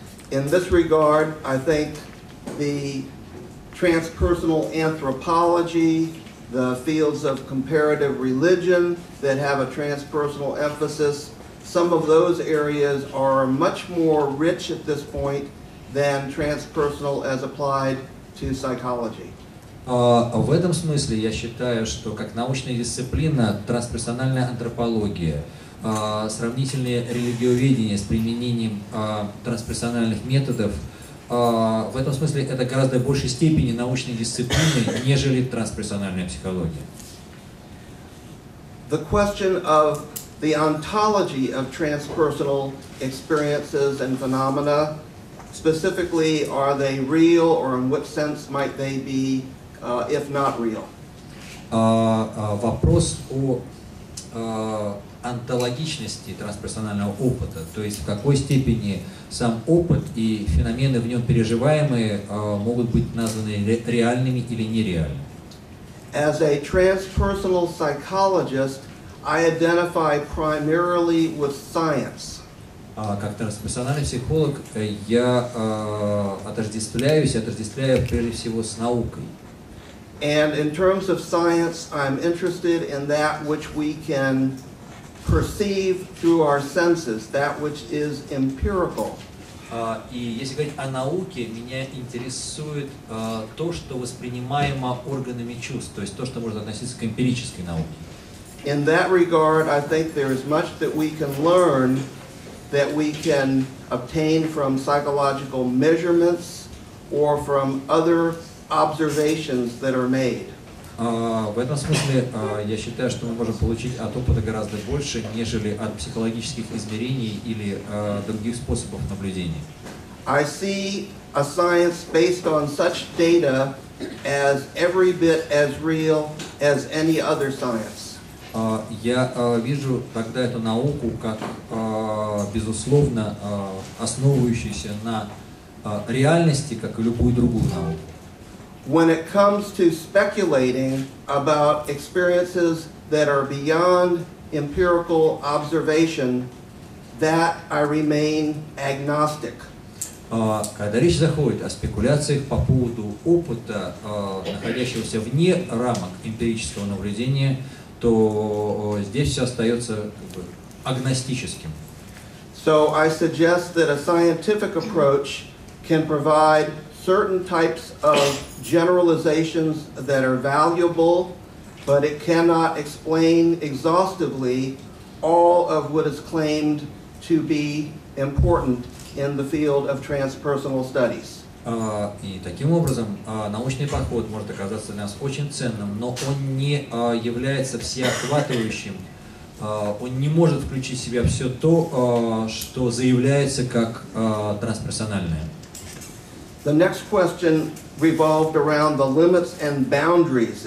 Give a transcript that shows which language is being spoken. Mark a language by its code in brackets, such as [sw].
[en] In this regard, I think the transpersonal anthropology, the fields of comparative religion that have a transpersonal emphasis, some of those areas are much more rich at this point than transpersonal as applied to psychology. [ru] В этом смысле я считаю, что как научная дисциплина трансперсональная антропология, сравнительное религиоведение с применением трансперсональных методов, в этом смысле это гораздо в большей степени научной дисциплины, нежели трансперсональная психология. [en] The question of the ontology of transpersonal experiences and phenomena, specifically, are they real or in what sense might they be, if not real? [ru] Вопрос о онтологичности трансперсонального опыта, то есть в какой степени сам опыт и феномены в нем переживаемые могут быть названы реальными или нереальными. [en] As a transpersonal psychologist, I identify primarily with science. [ru] как трансперсональный психолог, я отождествляю прежде всего с наукой. [en] And in terms of science, I'm interested in that which we can perceive through our senses, that which is empirical. [ru] И если говорить о науке, меня интересует то, что воспринимаемо органами чувств, то есть то, что можно относиться к эмпирической науке. [en] In that regard, I think there is much that we can learn, that we can obtain from psychological measurements or from other observations that are made. [ru] В этом смысле я считаю, что мы можем получить от опыта гораздо больше, нежели от психологических измерений или других способов наблюдения. [en] I see a science based on such data as every bit as real as any other science. [ru] Я вижу тогда эту науку как безусловно основывающуюся на реальности, как и любую другую науку. [en] When it comes to speculating about experiences that are beyond empirical observation, that I remain agnostic. [ru] Когда речь заходит о спекуляциях по поводу опыта, находящегося вне рамок эмпирического наблюдения, то здесь все остается как бы агностическим. [en] So I suggest that a scientific approach can provide certain types of generalizations that are valuable, but it cannot explain exhaustively all of what is claimed to be important in the field of transpersonal studies. [ru] И таким образом, научный подход может оказаться для нас очень ценным, но он не является всеохватывающим. Он не может включить в себя все то, что заявляется как трансперсональное. [en] The next question revolved around the limits and boundaries.